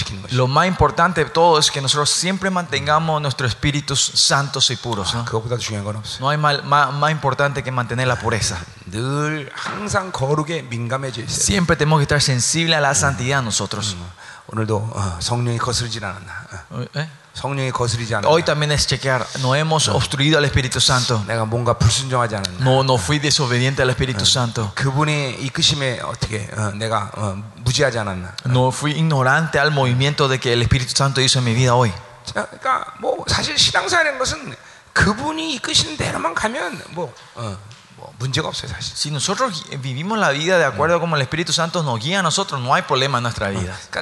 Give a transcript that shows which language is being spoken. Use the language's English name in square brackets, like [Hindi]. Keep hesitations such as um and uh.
[Spanish] Lo más importante de todo es que nosotros siempre mm. mantengamos nuestros espíritus santos y puros. Ah, ¿no? no, hay mal, ma, más, importante que mantener la pureza. 아, siempre là. tenemos que estar sensibles mm. a la santidad mm. nosotros. [Korean] 오늘도 성령이 거슬리지 않았나? 성령이 거슬리지 않았나? [Spanish] Hoy también es chequear. No hemos obstruido al Espíritu Santo. [Korean] 내가 뭔가 불순종하지 않았나? [Spanish] No, no fui desobediente al Espíritu Santo. [Korean] 그분의 이끄심에 어떻게 내가 무지하지 않았나? [Spanish] No fui ignorante al movimiento de que el Espíritu Santo hizo en mi vida hoy. [Korean] 그러니까 뭐 사실 신앙사는 것은 그분이 이끄신 대로만 가면 뭐. 어. [Spanish] Si nosotros vivimos la vida de acuerdo como el Espíritu Santo nos guía a nosotros, no hay problema en nuestra vida.